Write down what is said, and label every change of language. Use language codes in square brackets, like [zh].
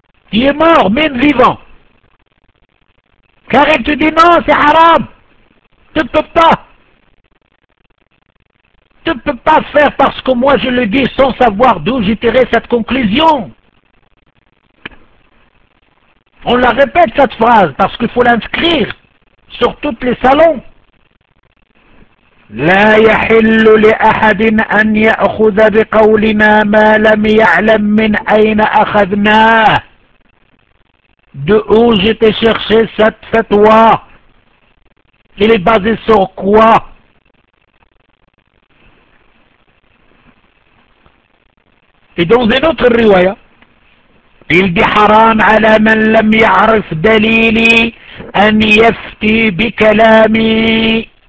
[fr] Tu es mort, même vivant. Car elle te dit non, c'est haram. Tu ne peux pas. Tu ne peux pas faire parce que moi je le dis sans savoir d'où j'ai tiré cette conclusion. On la répète cette phrase parce qu'il faut l'inscrire sur tous les salons. [ar] La يحل لأحد أن يأخذ بقولنا ما لم يعلم من أين أخذناه. [fr] De où j'étais cherché cette fatwa? Il est basé sur quoi? Et dans une autre riwaya, il dit haram [ar] على من لم يعرف دليلي أن يفتي بكلامي.